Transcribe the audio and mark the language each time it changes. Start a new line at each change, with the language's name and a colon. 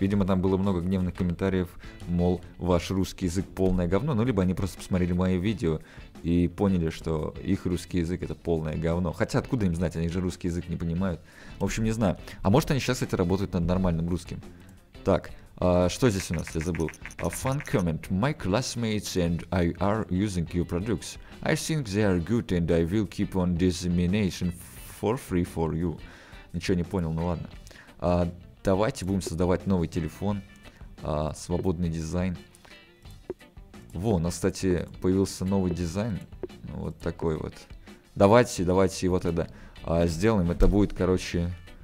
Russian: Видимо, там было много гневных комментариев, мол, ваш русский язык полное говно. Ну, либо они просто посмотрели мои видео и поняли, что их русский язык — это полное говно. Хотя откуда им знать, они же русский язык не понимают. В общем, не знаю. А может, они сейчас, кстати, работают над нормальным русским. Так, что здесь у нас? Я забыл.
English: A fun comment. My classmates and I are using your products. I think they are good and I will keep on dissemination for free for you.
Russian: Ничего не понял, ну ладно. Давайте будем создавать новый телефон. Свободный дизайн. Во, у нас, кстати, появился новый дизайн. Вот такой вот. Давайте его тогда сделаем. Это будет, короче...